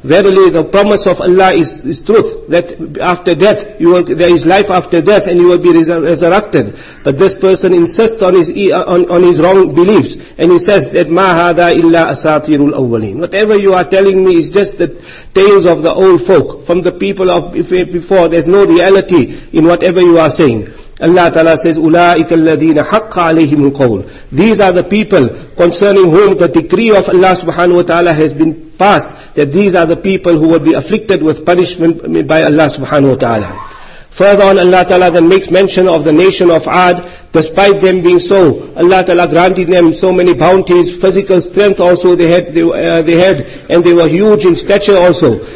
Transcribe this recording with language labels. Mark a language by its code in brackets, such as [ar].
[en] Verily the promise of Allah is truth, that after death, there is life after death and you will be resurrected. But this person insists on his wrong beliefs, and he says that [ar] ma hadha illa asatirul awwaleen. [en] Whatever you are telling me is just the tales of the old folk, from the people of before. There's no reality in whatever you are saying. Allah Ta'ala says, [ar] أُولَٰئِكَ الَّذِينَ حَقَّ عَلَيْهِمُ الْقَوْلِ. [en] These are the people concerning whom the decree of Allah Subhanahu Wa Ta'ala has been passed, that these are the people who will be afflicted with punishment by Allah Subhanahu Wa Ta'ala. Further on, Allah Ta'ala then makes mention of the nation of Ad. Despite them being so, Allah Ta'ala granted them so many bounties, physical strength also they had, and they were huge in stature also.